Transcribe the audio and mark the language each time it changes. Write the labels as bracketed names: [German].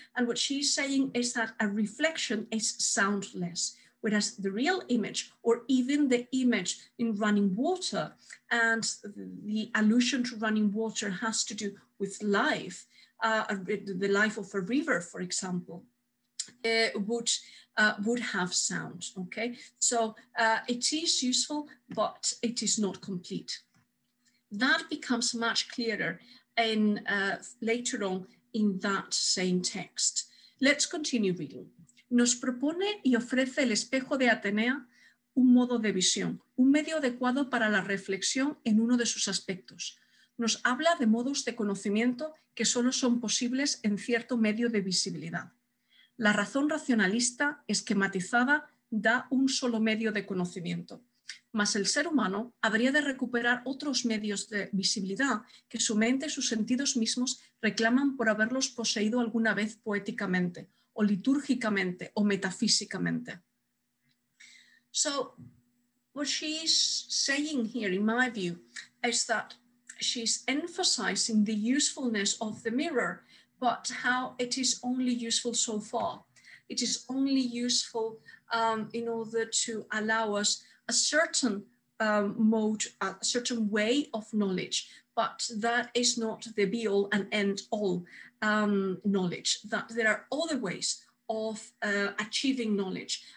[English] And what she's saying is that a reflection is soundless, whereas the real image, or even the image in running water, and the allusion to running water has to do with life, the life of a river, for example, would have sound, okay? So it is useful, but it is not complete. That becomes much clearer in later on in that same text. Let's continue reading. [Spanish] Nos propone y ofrece el espejo de Atenea un modo de visión, un medio adecuado para la reflexión en uno de sus aspectos. Nos habla de modos de conocimiento que solo son posibles en cierto medio de visibilidad. La razón racionalista, esquematizada, da un solo medio de conocimiento. Mas el ser humano habría de recuperar otros medios de visibilidad que su mente y sus sentidos mismos reclaman por haberlos poseído alguna vez poéticamente, o litúrgicamente, o metafísicamente. [English] So, what she's saying here, in my view, is that she's emphasizing the usefulness of the mirror, but how it is only useful so far. It is only useful in order to allow us a certain mode, a certain way of knowledge, but that is not the be all and end all knowledge, that there are other ways of achieving knowledge.